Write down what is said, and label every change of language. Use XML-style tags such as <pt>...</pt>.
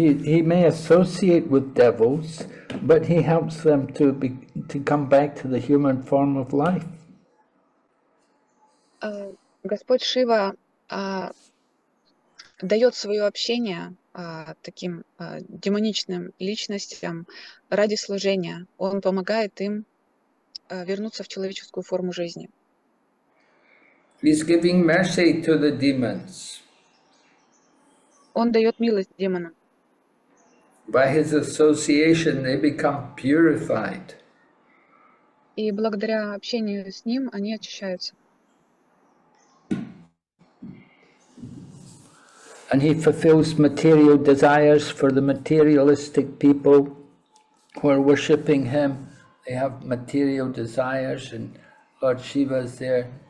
<en>He may associate with devils, but he helps them to come back to the human form of life.</en> <ru>Господь Шива дает свое общение таким демоничным личностям ради служения. Он помогает им вернуться в человеческую форму жизни.</ru> <en>He's giving mercy to the demons.</en> <ru>Он дает милость демонам.</ru> <en>By his association, they become purified.</en> <ru>И благодаря общению с ним они очищаются.</ru> <en>And he fulfills material desires for the materialistic people who are worshipping him. They have material desires, and Lord Shiva is there.</en>